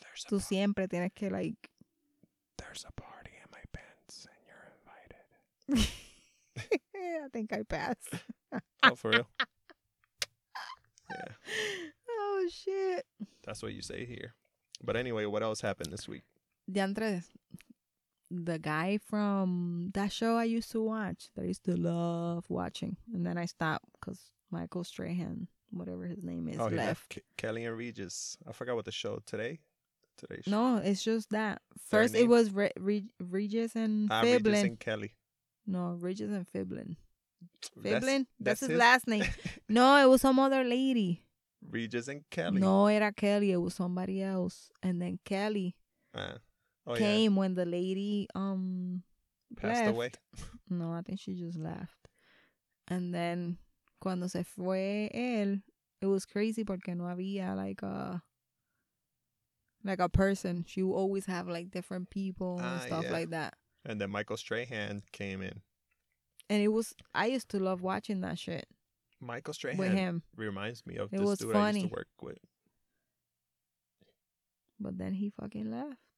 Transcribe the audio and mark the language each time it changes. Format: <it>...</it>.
<es>Tú siempre tienes que,</es> <en>like... There's a party in my pants and you're invited. I think I pass. Oh, for real? Yeah. Oh, shit. That's what you say here. But anyway, what else happened this week? Deandre, the guy from that show I used to watch, that I used to love watching. And then I stopped because Michael Strahan, whatever his name is, left. Kelly and Regis. I forgot what the show today. No, it's just that. First, it was Regis and Fiblin. Regis and Kelly. No, Regis and Fiblin. Fiblin? That's his last name. No, it was some other lady. Regis and Kelly. No,</en> <es>era</es> <en>Kelly. It was somebody else. And then Kelly came when the lady passed away. No, I think she just left. And then,</en> <es>cuando se fue él,</es> <en>it was crazy</en> <es>porque no había</es> <en>like a person. She will always have like different people and stuff like that. And then Michael Strahan came in. And it was, I used to love watching that shit. Michael Strahan with him. Reminds me of it this dude funny. I used to work with. But then he fucking left.</en>